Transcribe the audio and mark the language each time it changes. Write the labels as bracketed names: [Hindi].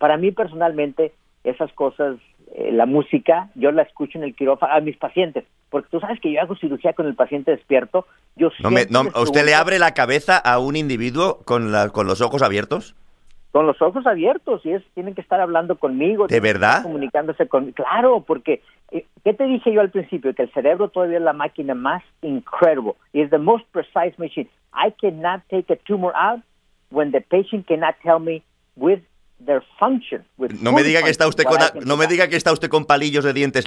[Spanish] Para mí, personalmente, esas cosas, la música, yo la escucho en el quirófano a mis pacientes, porque tú sabes que yo hago cirugía con el paciente despierto. Yo ¿Usted le abre la cabeza a un individuo con los ojos abiertos? Con los ojos abiertos, y tienen que estar hablando conmigo. ¿De verdad? Comunicándose conmigo. Claro, porque, ¿qué te dije yo al principio? Que el cerebro todavía es la máquina más incredible. [English] It's the most precise machine. I cannot take a tumor out when the patient cannot tell me with their function. [Spanish] No me diga que está usted con palillos de dientes.